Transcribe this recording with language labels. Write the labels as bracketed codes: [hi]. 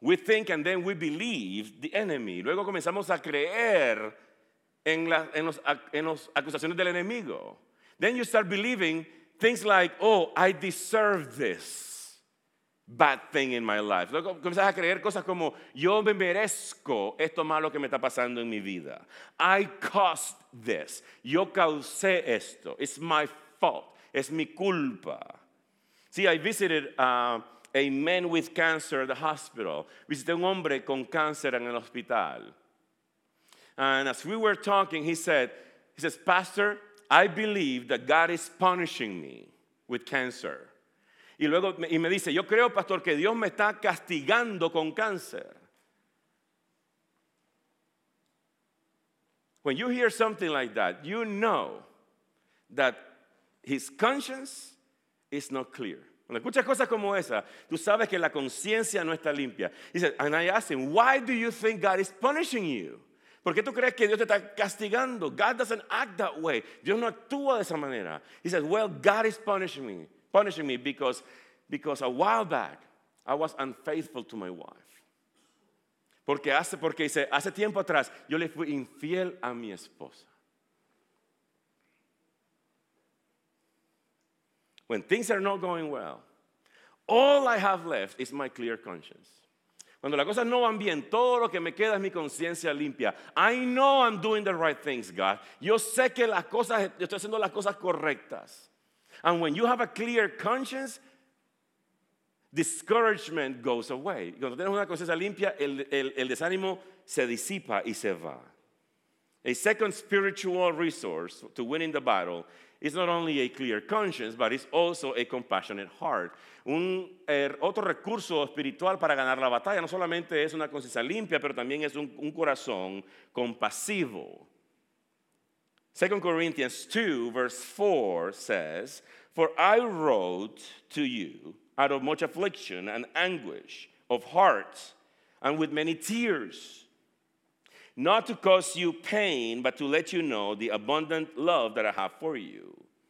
[en] And then we believe the enemy. [es] Luego comenzamos a creer en las acusaciones del enemigo. [en] Then you start believing things like, oh, I deserve this bad thing in my life. [es] Luego comienzas a creer cosas como, yo me merezco esto malo que me está pasando en mi vida. [en] I caused this. [es] Yo causé esto. [en] It's my fault. [es] Es mi culpa. [en] See, I visited a man with cancer at the hospital. [es] Visité un hombre con cáncer en el hospital. [en] And as we were talking, he says, Pastor, I believe that God is punishing me with cancer. [es] Y luego y me dice, yo creo, pastor, que Dios me está castigando con cáncer. [en] When you hear something like that, you know that his conscience is not clear. [es] Cuando escuchas cosas como esa, tú sabes que la conciencia no está limpia. [en] He said, and I asked him, why do you think God is punishing you? [es] ¿Por qué tú crees que Dios te está castigando? [en] God doesn't act that way. [es] Dios no actúa de esa manera. [en] He said, well, God is punishing me because a while back I was unfaithful to my wife. [es] Porque hace tiempo atrás yo le fui infiel a mi esposa. [en] When things are not going well, all I have left is my clear conscience. [es] Cuando las cosas no van bien, todo lo que me queda es mi conciencia limpia. [en] I know I'm doing the right things, God. [es] Yo sé que las cosas, yo estoy haciendo las cosas correctas. [en] And when you have a clear conscience, discouragement goes away. [es] Cuando tienes una conciencia limpia, el desánimo se disipa y se va. [en] A second spiritual resource to winning the battle is not only a clear conscience, but it's also a compassionate heart. [es] Otro recurso espiritual para ganar la batalla no solamente es una conciencia limpia, pero también es un corazón compasivo. [en] 2 Corinthians 2, verse 4 says, for I wrote to you out of much affliction and anguish of heart and with many tears, not to cause you pain, but to let you know the abundant love that I have for you.